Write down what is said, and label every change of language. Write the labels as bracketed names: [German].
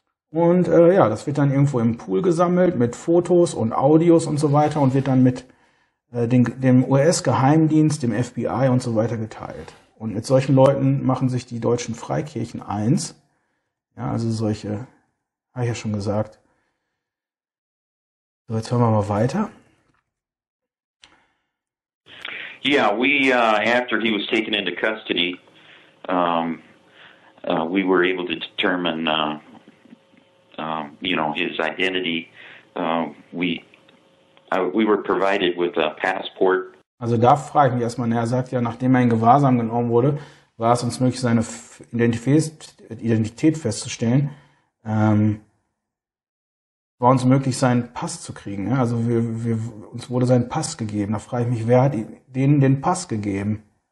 [German] Und ja, das wird dann irgendwo im Pool gesammelt mit Fotos und Audios und so weiter und wird dann mit dem US-Geheimdienst, dem FBI und so weiter geteilt. Und mit solchen Leuten machen sich die deutschen Freikirchen eins. Ja, also solche, habe ich ja schon gesagt. So, jetzt hören wir mal weiter. [English] Yeah, we after he was taken into custody, we were able to determine you know, his identity. We were provided with a passport. [German] Also da frage ich mich erstmal, er sagt ja, nachdem er in Gewahrsam genommen wurde, war es uns möglich, seine Identität festzustellen. War uns möglich, seinen Pass zu kriegen. Ne? Also uns wurde sein Pass gegeben. Da frage ich mich, wer hat denen den Pass gegeben?